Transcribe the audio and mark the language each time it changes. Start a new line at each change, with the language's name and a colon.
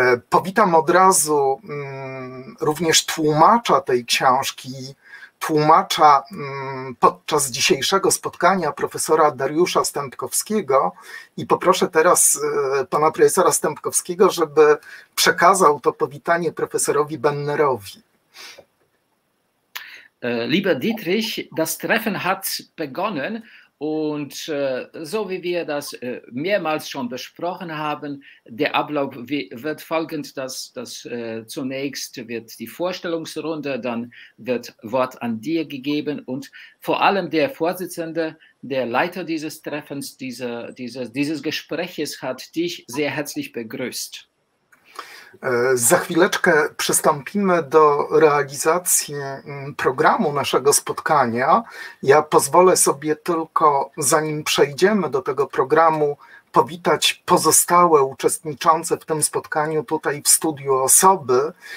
Polish: Powitam od razu również tłumacza tej książki, tłumacza podczas dzisiejszego spotkania, profesora Dariusza Stępkowskiego, i poproszę teraz pana profesora Stępkowskiego, żeby przekazał to powitanie profesorowi Bennerowi.
German: Lieber Dietrich, das Treffen hat begonnen und so wie wir das mehrmals schon besprochen haben, der Ablauf wird folgend, dass zunächst wird die Vorstellungsrunde, dann wird Wort an dir gegeben und vor allem der Vorsitzende, der Leiter dieses Treffens, dieses Gespräches hat dich sehr herzlich begrüßt.
Polish: Za chwileczkę przystąpimy do realizacji programu naszego spotkania. Ja pozwolę sobie tylko, zanim przejdziemy do tego programu, powitać pozostałe uczestniczące w tym spotkaniu tutaj w studiu osoby.